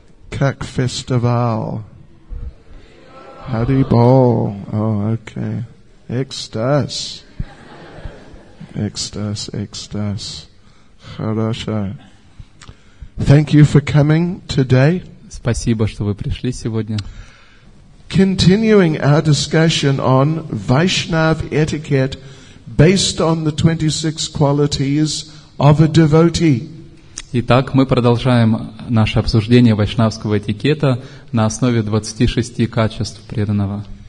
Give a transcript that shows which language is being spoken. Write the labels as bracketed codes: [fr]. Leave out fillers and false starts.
[ru] Как фестивал? Харибол. [en] Oh, okay. [ru] Экстаз. Экстаз, экстаз. Хорошо. [en] Thank you for coming today. [ru] Спасибо, что вы пришли сегодня. [en] Continuing our discussion on Vaishnav etiquette based on the 26 qualities of a devotee. [ru] Итак, мы продолжаем наше обсуждение вайшнавского этикета на основе 26 качеств преданного.